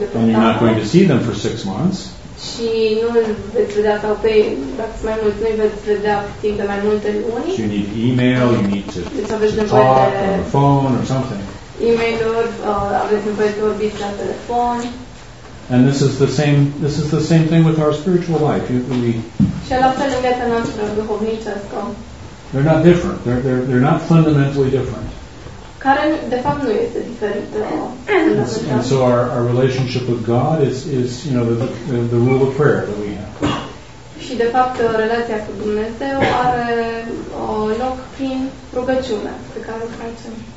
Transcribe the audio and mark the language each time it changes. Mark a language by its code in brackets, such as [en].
[ro] departe. [en] And you're not going to see them for 6 months. [ro] Și nu îl veți vedea sau pe ei, dacă sunt mai mulți, nu îi veți vedea timp de mai multe luni. [en] You need email, you need to, [ro] deci aveți [en] to talk on the phone or something. [ro] E-mail-uri, aveți nevoie de vorbiți la telefon. [en] And this is the same thing with our spiritual life. [ro] Și la fel în viața noastră duhovnicească. [en] They're not different. They're not fundamentally different. [ro] Care de fapt nu este diferită. [en] And so our relationship with God is you know the rule of prayer that we have. [ro] Și de fapt relația cu Dumnezeu are loc prin rugăciune pe care o facem.